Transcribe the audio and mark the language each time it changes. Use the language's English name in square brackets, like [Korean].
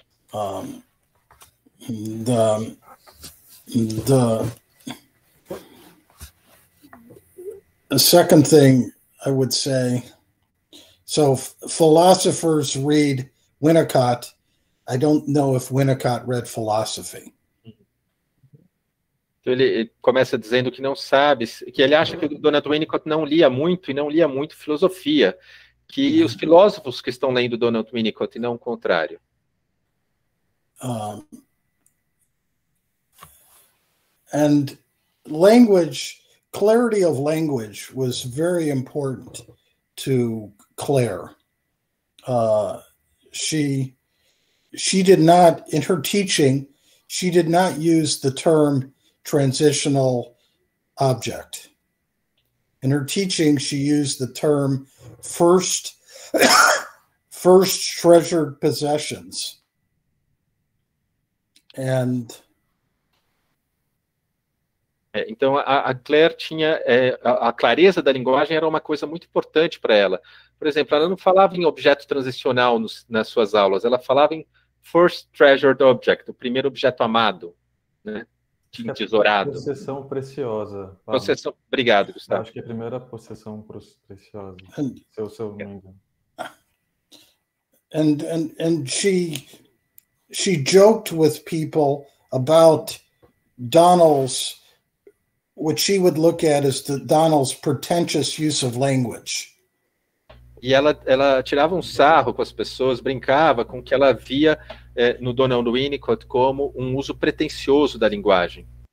[English] The second thing I would say, so philosophers read Winnicott. I don't know if Winnicott read philosophy. [Portuguese] Então ele começa dizendo que não sabe, que ele acha que o Donald Winnicott não lia muito e não lia muito filosofia, que os filósofos que estão lendo Donald Winnicott e não o contrário. [English] And language, clarity of language was very important to Clare. She did not, in her teaching, she did not use the term transitional object. In her teaching, she used the term first treasured possessions. And [Portuguese] então, a Clare tinha, a clareza da linguagem era uma coisa muito importante para ela. Por exemplo, ela não falava em objeto transicional nas suas aulas, ela falava em [English] first treasured object, [Portuguese] o primeiro objeto amado, né, entesourado. Possessão preciosa. Possessão, obrigado, Gustavo. Acho que é a primeira possessão preciosa, se eu não me engano. [English] And she joked with people about Donald's, what she would look at as the Donald's pretentious use of language. [Portuguese] E ela tirava um sarro com as pessoas, brincava com o que ela via no Donald Winnicott como um uso pretensioso da linguagem.